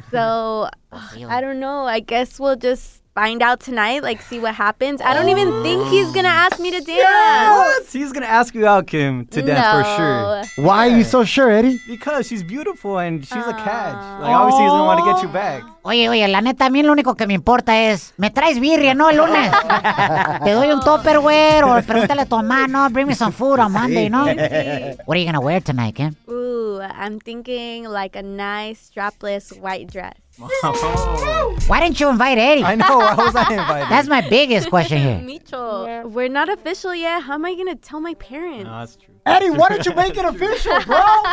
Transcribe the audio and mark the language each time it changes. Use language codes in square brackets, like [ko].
[en] So, I don't know. I guess we'll just find out tonight, like, see what happens. I don't even think he's gonna ask me to dance. Yes! He's gonna ask you out, Kim, to dance for sure. Why are you so sure, Eddie? Because she's beautiful and she's a catch. Like, obviously, he's gonna want to get you back. [es] Oye, la neta, a mí lo único que me importa es, me traes birria, ¿no? El lunes. Te doy un topperware o pregúntale a tu mamá, ¿no? [en] Bring me some food on Monday, ¿no? What are you gonna wear tonight, Kim? Ooh, I'm thinking like a nice strapless white dress. Why didn't you invite Eddie? I know, why was I invited? That's my biggest question here. Micho, yeah. We're not official yet. How am I going to tell my parents? No, that's true. Eddie, why don't you make it official, bro?